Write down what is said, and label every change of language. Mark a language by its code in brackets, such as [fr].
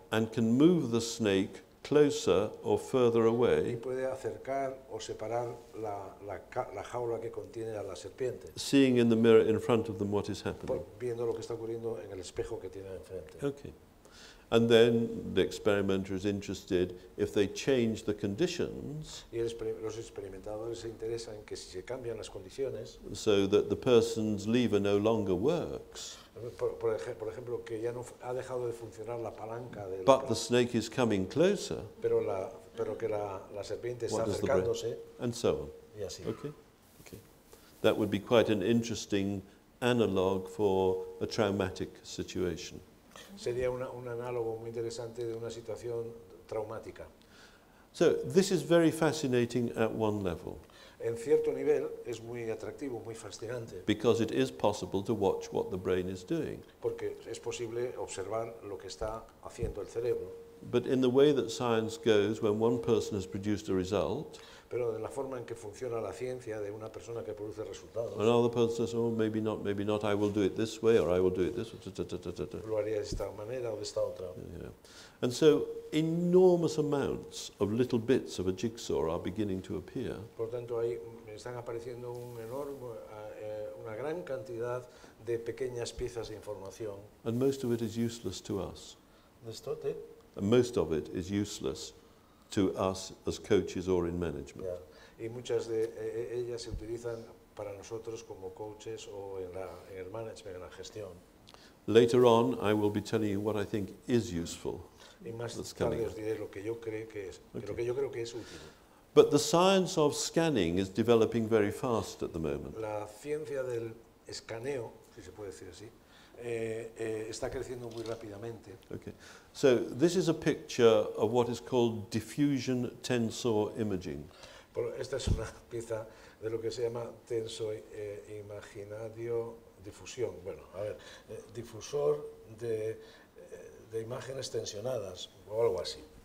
[en] and can move the snake closer or further away, [es] y puede acercar o separar la jaula que contiene a la serpiente, [en] seeing in the mirror in front of them what is happening, [es] viendo lo que está ocurriendo en el espejo que tiene enfrente. [en] Okay, and then the experimenter is interested if they change the conditions, [es] y los experimentadores se interesan que si se cambian las condiciones, [en] so that the person's lever no longer works, [es] por ejemplo, que ya no ha dejado de funcionar la palanca del, [en] but the snake is coming closer, [es] pero que la serpiente está acercándose, [en] and so on. [es] Y así. [en] Okay, that would be quite an interesting analog for a traumatic situation. [es] Sería un análogo muy interesante de una situación traumática. [en] So this is very fascinating at one level. [es] En cierto nivel es muy atractivo, muy fascinante. [en] Because it is possible to watch what the brain is doing. [es] Porque es posible observar lo que está haciendo el cerebro. [en] But in the way that science goes, when one person has produced a result, [es] pero de la forma en que funciona la ciencia de una persona que produce resultados, [en] another person says, oh, maybe not, I will do it this way, or I will do it this way. [es] Lo haría de esta manera o de esta otra. [en] Yeah. And so enormous amounts of little bits of a jigsaw are beginning to appear. [es] Por tanto, ahí me están apareciendo una gran cantidad de pequeñas piezas de información. [en] And most of it is useless to us. ¿Destote? And most of it is useless to us as coaches or in management. Yeah. [es] Y muchas de ellas se utilizan para nosotros como coaches o en el management, en la gestión. [en] Later on, I will be telling you what I think is useful. [es] Y más tarde os diré lo que yo creo que es, okay, lo que yo creo que es útil. [en] But the science of scanning is developing very fast at the moment. [es] La ciencia del escaneo, si se puede decir así, está creciendo muy rápidamente. [en] Okay. So this is a picture of what is called diffusion tensor imaging. [es] Pero esta es una pieza de lo que se llama tenso imaginario difusión. Bueno, a ver, difusor de imágenes tensionadas o algo así.